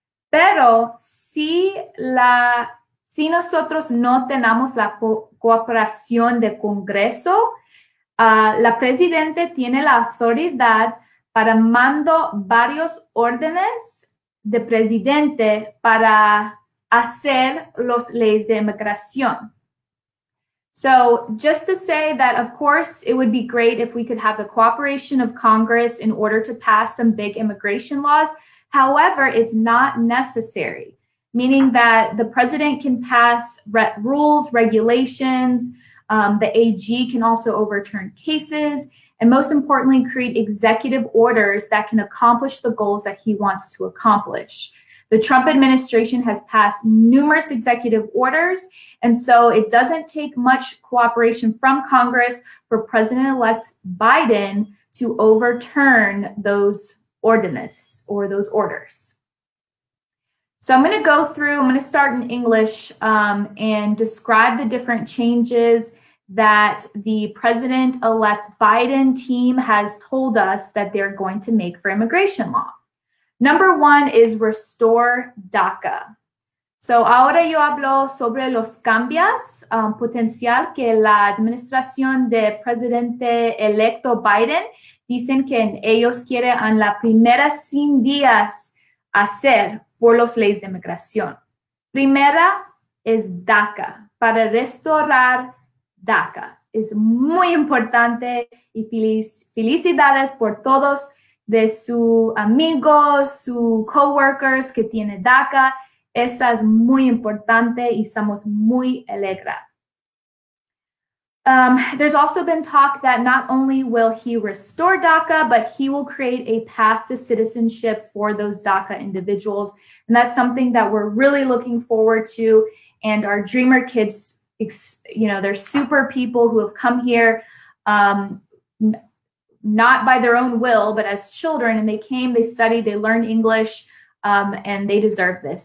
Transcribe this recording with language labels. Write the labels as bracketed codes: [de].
[es] Pero si, si nosotros no tenemos la cooperación de Congreso, la presidente tiene la autoridad para mandar varios órdenes de presidente para hacer las leyes de inmigración. [en] So just to say that, of course, it would be great if we could have the cooperation of Congress in order to pass some big immigration laws. However, it's not necessary, meaning that the president can pass rules, regulations, the AG can also overturn cases, and most importantly, create executive orders that can accomplish the goals that he wants to accomplish. The Trump administration has passed numerous executive orders, and so it doesn't take much cooperation from Congress for President-elect Biden to overturn those ordinances or those orders. So I'm going to go through, I'm going to start in English and describe the different changes that the President-elect Biden team has told us that they're going to make for immigration law. Number one is restore DACA. [es] So ahora yo hablo sobre los cambios potencial que la administración de presidente electo Biden dicen que ellos quieren en las primeras 100 días hacer por las leyes de inmigración. Primera es DACA, para restaurar DACA. Es muy importante y felicidades por todos de sus amigos, sus coworkers que tiene DACA. Esa es muy importante y estamos muy alegra. [en] There's also been talk that not only will he restore DACA, but he will create a path to citizenship for those DACA individuals. And that's something that we're really looking forward to. And our Dreamer kids, you know, they're super people who have come here not by their own will, but as children, and they came, they studied, they learned English, and they deserve this.